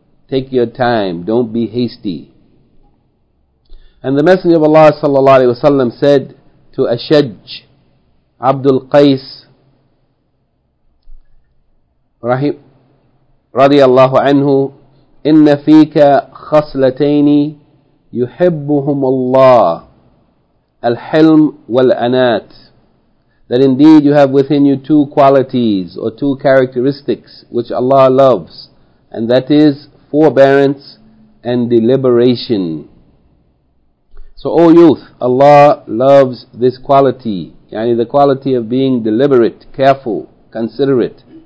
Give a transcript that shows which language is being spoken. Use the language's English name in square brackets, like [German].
[English] Take your time, don't be hasty. And the Messenger of Allah sallallahu alayhi wa sallam said to Ashaj, Abdul Qais, radiyallahu anhu, [Arabic] إِنَّ فِيكَ خَصْلَتَيْنِ يحبهم الله الحلم والأنات. [English] That indeed you have within you two qualities or two characteristics which Allah loves, and that is forbearance and deliberation. So, O youth, Allah loves this quality, yani the quality of being deliberate, careful, considerate.